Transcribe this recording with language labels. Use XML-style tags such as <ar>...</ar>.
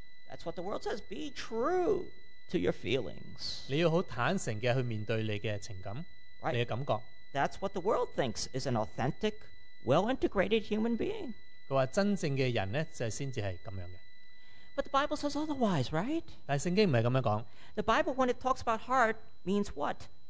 <en>That's what the world says, be true to your feelings.</en> <zh>你要很坦诚地去面对你的情感,你的感觉。</zh> <en>Right. That's what the world thinks is an authentic, well-integrated human being.</en> <zh>他说真正的人呢,才是这样的。</zh> <en>But the Bible says otherwise, right?</en> <zh>但圣经不是这样说。</zh> <en>The Bible, when it talks about heart, means what?</en>